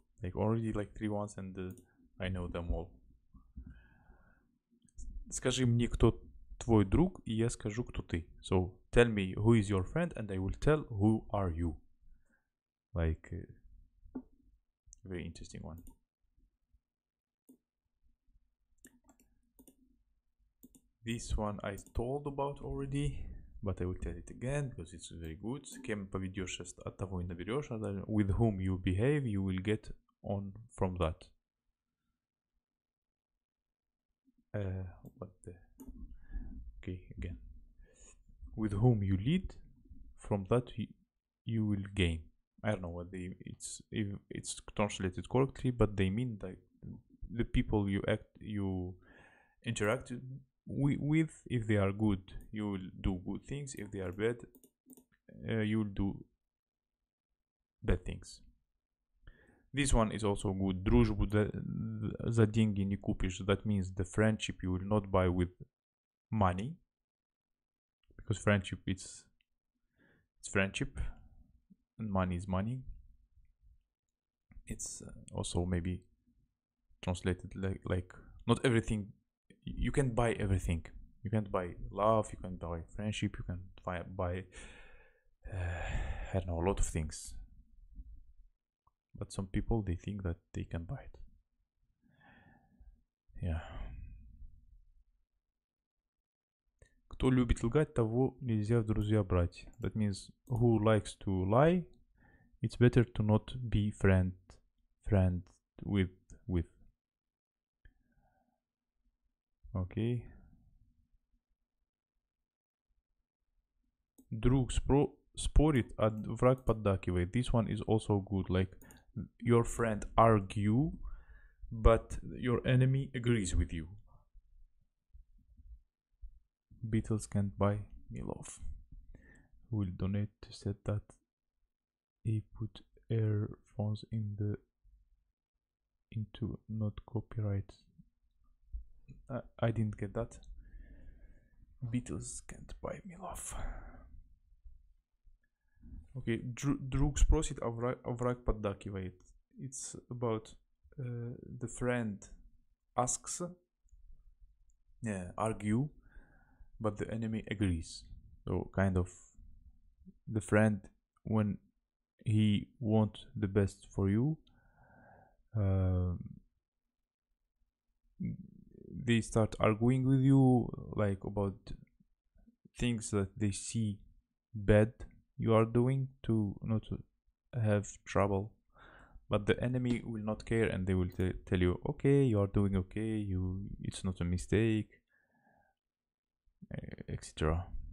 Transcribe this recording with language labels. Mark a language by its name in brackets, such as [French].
[English] Like already like 3 months and I know them all. [Russian] Скажи мне, кто твой друг, и я скажу, кто ты. [English] So tell me who is your friend and I will tell who are you. Like very interesting one. This one I told about already, but I will tell it again because it's very good. [Russian] С кем поведешься, от того и наберешь. [English] With whom you behave, you will get on from that. What the Okay, again. With whom you lead, from that you will gain. I don't know what they it's if it's translated correctly, but they mean that the people you interact with, if they are good, you will do good things. If they are bad, you will do bad things. This one is also good. [Russian] Дружбу за деньги не купишь. [English] That means the friendship you will not buy with money. Because friendship it's friendship and money is money. It's also maybe translated like not everything you can buy everything. You can't buy love, you can't buy friendship, you can buy I don't know, a lot of things. But some people they think that they can buy it. [Russian] Кто любит лгать, того нельзя в друзья брать. [English] That means who likes to lie, it's better to not be friend with. Окей. [Russian] Друг спорит, а враг поддакивает. [English] This one is also good. Like, your friend argue, but your enemy agrees with you. Beatles can't buy me love. Will donate to said that he put earphones into not copyright. I didn't get that. Beatles can't buy me love. [Russian] Okay, друг спросит, а враг поддакивает. [English] It's about the friend asks, argue, but the enemy agrees. So kind of the friend, when he want the best for you, they start arguing with you, like about things that they see bad you are doing to not have trouble, but the enemy will not care and they will tell you, okay, you are doing okay, you, it's not a mistake, etc.